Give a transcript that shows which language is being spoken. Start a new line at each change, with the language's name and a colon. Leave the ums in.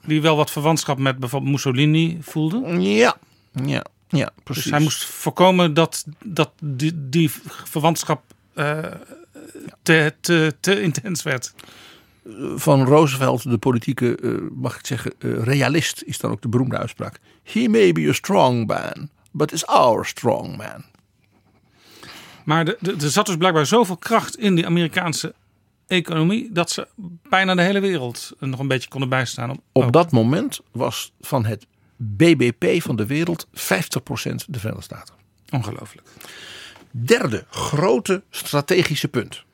Dutch: Die wel wat verwantschap met bijvoorbeeld Mussolini voelden. Ja. Ja, ja, precies. Dus hij moest voorkomen dat, dat die, die verwantschap uh, te, te, te, intens werd. Van Roosevelt, de politieke, uh, mag ik zeggen, uh, realist, is dan ook de beroemde uitspraak.
English: He may be a strong man, but it's our strong man.
Dutch: Maar er de, de, de zat dus blijkbaar zoveel kracht in die Amerikaanse economie dat ze bijna de hele wereld nog een beetje konden bijstaan. Op, op dat moment was van het bbp van de wereld 50% de Verenigde Staten. Ongelooflijk. Derde grote strategische punt.